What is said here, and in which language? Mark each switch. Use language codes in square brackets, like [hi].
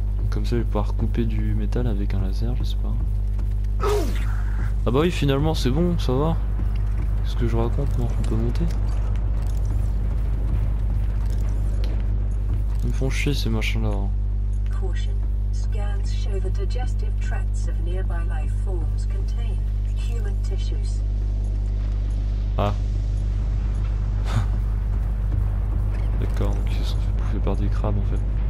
[fr] Comme ça je vais pouvoir couper du métal avec un laser, je sais pas. Ah bah oui, finalement c'est bon, ça va. Qu'est-ce que je raconte, moi, on peut monter. Ils me font chier ces machins là. [en] Caution. Scans show the digestive tracts of nearby life forms contain human tissues. Ah. [fr] D'accord, donc ils se sont fait bouffer par des crabes en fait.